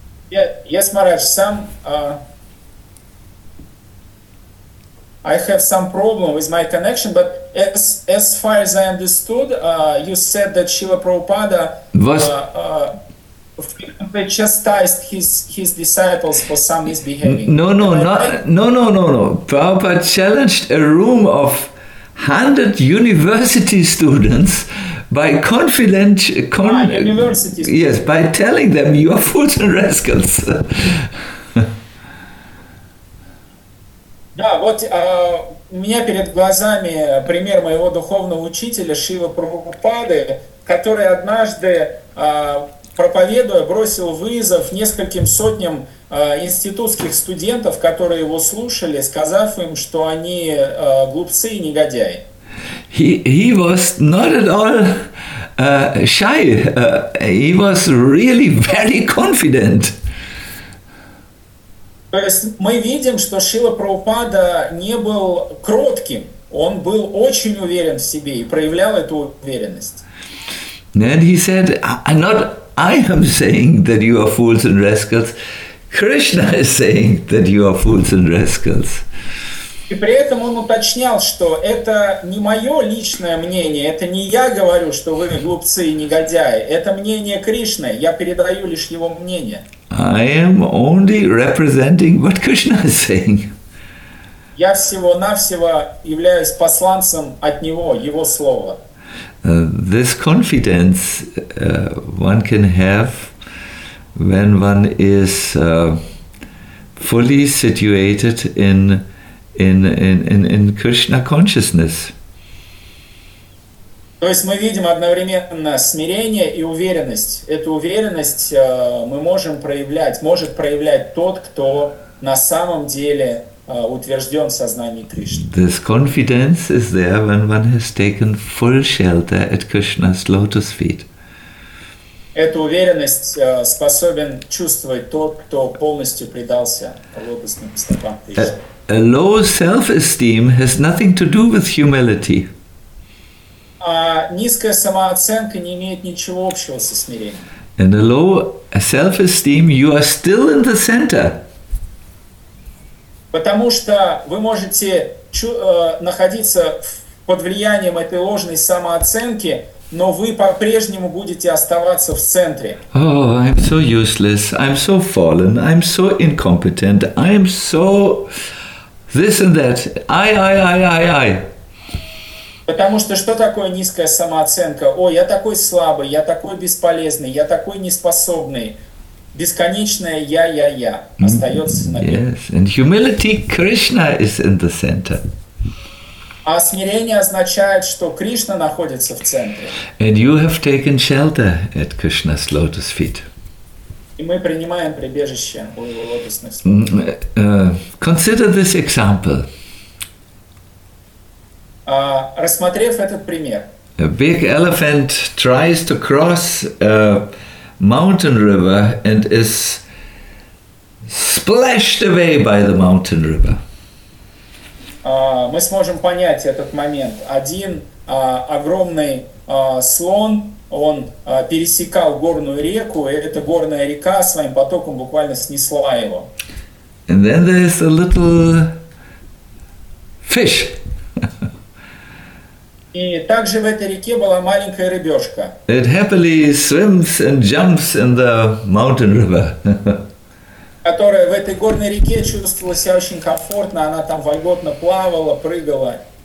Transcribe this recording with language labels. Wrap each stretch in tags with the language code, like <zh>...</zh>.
<en>Yes, Maharaj, I have some problem with my connection, but as far as I understood, you said that Srila Prabhupada chastised his disciples for some misbehaving. No. Prabhupada challenged a room of 100 university students by by telling them you are fools and rascals.</en> <ru>Да, вот у меня перед глазами пример моего духовного учителя Шрилы Прабхупады, который однажды, проповедуя, бросил вызов нескольким сотням институтских студентов, которые его слушали, сказав им, что они глупцы и негодяи.</ru> <en>He was not at all shy. He was really very confident.</en> <ru>То есть мы видим, что Шрила Прабхупада не был кротким. Он был очень уверен в себе и проявлял эту уверенность.</ru> <en>And he said, not I am saying that you are fools and rascals. Krishna is saying that you are fools and rascals.</en> <ru>И при этом он уточнял, что это не мое личное мнение, это не я говорю, что вы глупцы и негодяи, это мнение Кришны, я передаю лишь его мнение.</ru> <en>I am only representing what Krishna is saying.</en> <ru>Я всего-навсего являюсь посланцем от него, его слова.</ru> <en>This confidence one can have when one is fully situated in Krishna consciousness.</en> <ru>То есть мы видим одновременно смирение и уверенность. Эту уверенность мы можем проявлять, может проявлять тот, кто на самом деле утвержден в сознании Кришны.</ru> <en>This confidence is there when one has taken full shelter at Krishna's lotus feet.</en> <ru>Эту уверенность способен чувствовать тот, кто полностью предался лотосным стопам Кришны.</ru> <en>A low self-esteem has nothing to do with humility.</en> <ru>Низкая самооценка не имеет ничего общего со смирением.</ru> <en>And a low self-esteem, you are still in the center.</en> <ru>Потому что вы можете находиться под влиянием этой ложной самооценки, но вы по-прежнему будете оставаться в центре.</ru> <en>Oh, I'm so useless. I'm so fallen. I'm so incompetent. I'm so... This and that. I.</en> <ru>Потому что что такое низкая самооценка? О, я такой слабый, я такой бесполезный, я такой неспособный. Бесконечное я остается на месте.</ru> <en>Yes, and humility, Krishna is in the center.</en> <ru>А смирение означает, что Кришна находится в центре.</ru> <en>And you have taken shelter at Krishna's lotus feet.</en> <ru>И мы принимаем прибежище у его лотосных</ru> <en>стоп. Consider this example.</en> <ru>Рассмотрев этот пример.</ru> <en>A big elephant tries to cross a mountain river and is splashed away by the mountain river.</en> <ru>Мы сможем понять этот момент. Один огромный слон. Он пересекал горную реку, и эта горная река своим потоком буквально снесла его.</ru> <en>And then there is a little fish.</en> <ru>И также в этой реке была маленькая рыбешка.</ru> <en>It happily swims and jumps in the mountain river.</en> <ru>Которая в этой горной реке чувствовала себя очень комфортно, она там вольготно плавала, прыгала.</ru>